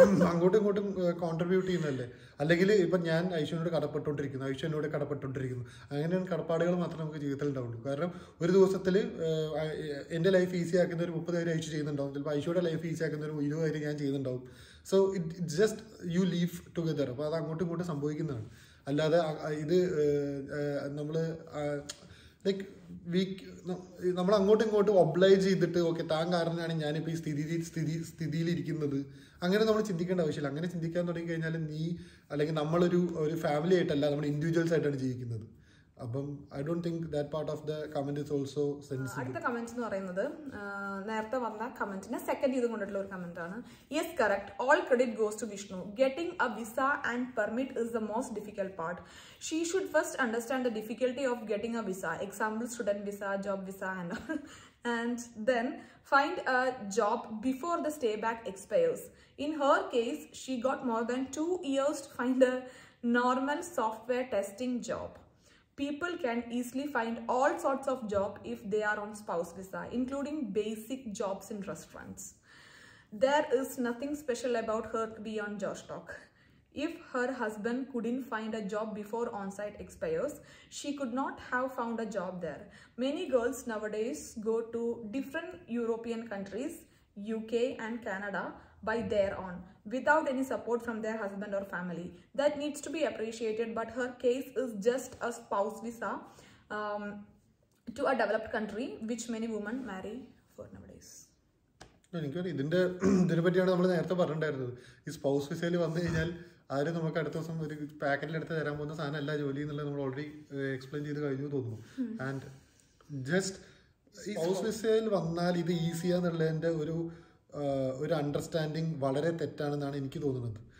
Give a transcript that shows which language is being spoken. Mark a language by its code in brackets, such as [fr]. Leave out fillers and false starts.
[ml] അങ്ങോട്ടും ഇങ്ങോട്ടും കോൺട്രിബ്യൂട്ട് ചെയ്യുന്നല്ലേ. അല്ലെങ്കിൽ ഇപ്പൊ ഞാൻ ഐശ്വനോട് കടപ്പെട്ടുകൊണ്ടിരിക്കുന്നു, ഐശ്വൻ എന്നോട് കടപ്പെട്ടുകൊണ്ടിരിക്കുന്നു. അങ്ങനെയാണ് കടപ്പാടുകൾ മാത്രം നമുക്ക് ജീവിതത്തിൽ ഉണ്ടാവുള്ളൂ. കാരണം ഒരു ദിവസത്തിൽ എന്റെ ലൈഫ് ഈസി ആക്കുന്ന ഒരു 30 പേര് ഐശ്വ ചെയ്യുന്നുണ്ടാവും, ചിലപ്പോൾ ഐശ്വയുടെ ലൈഫ് ഈസി ആക്കുന്ന ഒരു 20 പേര് ഞാൻ ചെയ്യുന്നുണ്ടാവും. [en] So it just you leave together. [ml] അപ്പോൾ അത് അങ്ങോട്ടും ഇങ്ങോട്ടും സംഭവിക്കുന്നതാണ്. അല്ലാതെ ഇത് നമ്മൾ ലൈക്ക് വീക്ക് നമ്മൾ അങ്ങോട്ടും ഇങ്ങോട്ടും ഒബ്ലൈജ് ചെയ്തിട്ട് ഓക്കെ താൻ കാരണമാണ് ഞാനിപ്പോൾ ഈ സ്ഥിതിയിലിരിക്കുന്നത് അങ്ങനെ നമ്മൾ ചിന്തിക്കേണ്ട ആവശ്യമില്ല. അങ്ങനെ ചിന്തിക്കാൻ തുടങ്ങിക്കഴിഞ്ഞാൽ നീ അല്ലെങ്കിൽ നമ്മളൊരു ഒരു ഫാമിലി ആയിട്ടല്ല, നമ്മൾ ഇൻഡിവിജ്വൽസ് ആയിട്ടാണ് ജീവിക്കുന്നത്. [en] അപ്പം I don't think that part of the comment is also sensible. [ml] അടുത്ത കമന്റ് എന്ന് പറയുന്നത് നേരത്തെ വന്ന കമന്റിന് സെക്കൻഡ് ചെയ്ത് കൊണ്ടിട്ടുള്ള ഒരു കമന്റ് ആണ്. [en] Yes correct, all credit goes to Vishnu. Getting a visa and permit is the most difficult part. She should first understand the difficulty of getting a visa example student visa, job visa and and then find a job before the stay back expires. In her case, she got more than 2 years to find a normal software testing job. People can easily find all sorts of job if they are on spouse visa, including basic jobs in restaurants. There is nothing special about her beyond Josh talk. If her husband couldn't find a job before on-site expires, she could not have found a job there. Many girls nowadays go to different European countries, UK and Canada, by their own, without any support from their husband or family. That needs to be appreciated, but her case is just a spouse visa to a developed country, which many women marry for nowadays. [ml] എനിക്ക് ഇതിന്റെ ഇതിനെ പറ്റിയാണ് നമ്മൾ നേരത്തെ പറഞ്ഞിട്ടുണ്ടായിരുന്നത്. ഈ spouse വിസയിൽ വന്നു കഴിഞ്ഞാൽ ആരും നമുക്ക് അടുത്ത ദിവസം ഒരു പാക്കറ്റിലെടുത്ത് തരാൻ പോകുന്ന സാധനം അല്ല ജോലി എന്നുള്ളത് നമ്മൾ ഓൾറെഡി എക്സ്പ്ലെയിൻ ചെയ്ത് കഴിഞ്ഞു തോന്നുന്നു. ആൻഡ് ജസ്റ്റ് ഈ സ്പൗസ് വിസയിൽ വന്നാൽ ഇത് ഈസിയാന്നുള്ളതിൻ്റെ ഒരു ഒരു അണ്ടർസ്റ്റാൻഡിങ് വളരെ തെറ്റാണെന്നാണ് എനിക്ക് തോന്നുന്നത്.